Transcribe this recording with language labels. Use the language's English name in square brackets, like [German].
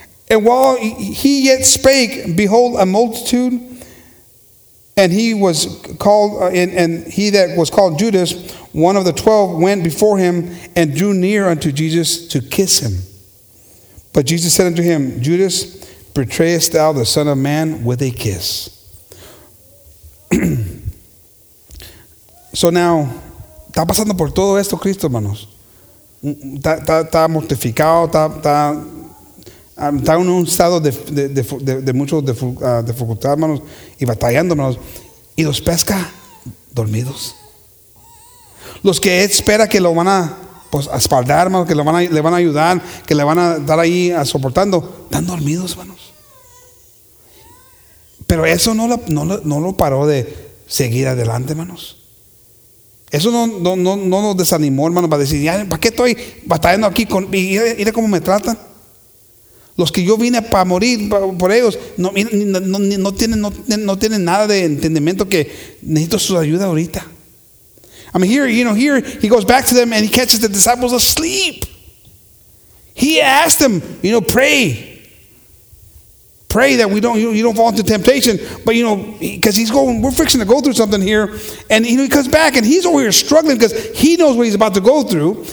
[English] And while he yet spake, behold, a multitude, and he was called, and he that was called Judas, one of the 12, went before him and drew near unto Jesus to kiss him. But Jesus said unto him, Judas, betrayest thou the Son of Man with a kiss? So now, [Spanish] está pasando por todo esto Cristo, hermanos. Está mortificado, está estaba en un estado de mucho dificultad, hermanos, y batallando, hermanos, y los pesca dormidos. Los que espera que lo van a, pues, a espaldar, hermanos, que le van a ayudar, que le van a dar ahí a soportando, están dormidos, hermanos. Pero eso no lo paró de seguir adelante, hermanos. Eso no nos desanimó, hermanos, para decir, ya, ¿para qué estoy batallando aquí con, y mira cómo me tratan? Los que yo vine para morir por ellos no tienen nada de entendimiento que necesito su ayuda ahorita. [English] I mean, here, you know, here he goes back to them and he catches the disciples asleep. He asked them, you know, pray that we don't, you don't fall into temptation. But you know, because we're fixing to go through something here, and you know, he comes back and he's over here struggling because he knows what he's about to go through.